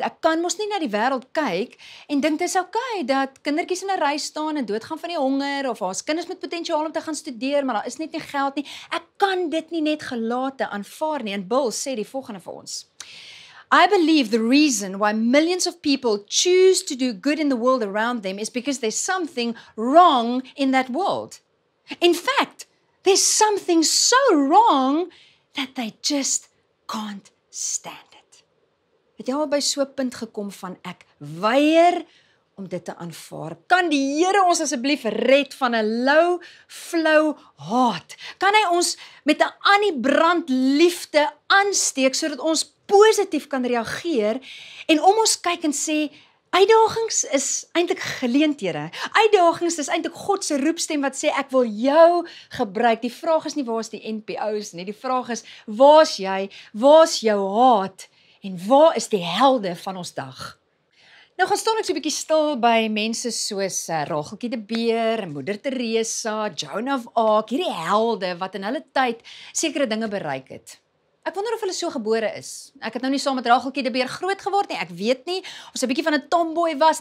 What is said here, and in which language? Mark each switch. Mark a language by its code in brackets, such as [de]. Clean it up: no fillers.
[af] Ek kan mos nie na die wêreld kyk en dink dit is okay dat kindertjies in 'n ry staan en doodgaan van die honger of haar kinders met potensiaal om te gaan studeer, maar daar is net nie geld nie. Ek kan dit nie net gelate aanvaar nie. En Bill sê die volgende vir ons. [en] I believe the reason why millions of people choose to do good in the world around them is because there's something wrong in that world. In fact, there's something so wrong that they just can't stand it. [af] Het jy al by so 'n punt gekom van ek weier om dit te aanvaar? Kan die Here ons asseblief red van 'n low flow haat? Kan hy ons met 'n aanbrand liefde aansteek sodat ons positief kan reageer en om ons kyk en sê uitdagings is eintlik geleenthede. Uitdagings is eintlik God se roepstem wat sê ek wil jou gebruik. Die vraag is nie waar is die NPO's nie. Die vraag is waar is jy? Waar is jou haat en waar is die helde van ons dag? Nou gaan staan ek so 'n bietjie stil by mense soos Rageltjie die Beer, Moeder Teresa, Joan of Arc, hierdie helde wat in hulle tyd sekere dinge bereik het. Ek wonder of hulle so gebore is. Ek het nou nie saam met Rageltjie die Beer groot geword nie. Ek weet nie of sy 'n bietjie van 'n tomboy was.